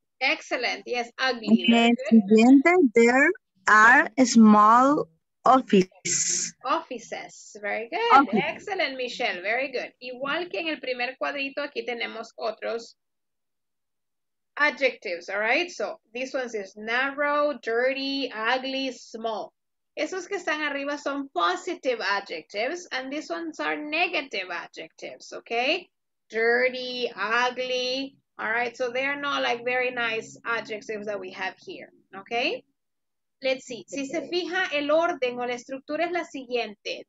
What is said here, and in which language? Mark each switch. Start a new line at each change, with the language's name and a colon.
English: Excellent, yes, ugly. Siguiente, there are small offices. Offices, very good. Office. Excellent, Michelle, very good.
Spanish: Igual que en el primer cuadrito, aquí tenemos otros adjectives, all right?
English: So, this one says narrow, dirty, ugly, small.
Spanish: Esos que están arriba son
English: positive adjectives, and these ones are negative adjectives, okay? Dirty, ugly, all right? So they are not like very nice adjectives that we have here, okay? Let's see.
Spanish: Si se fija, el orden o la estructura es la siguiente.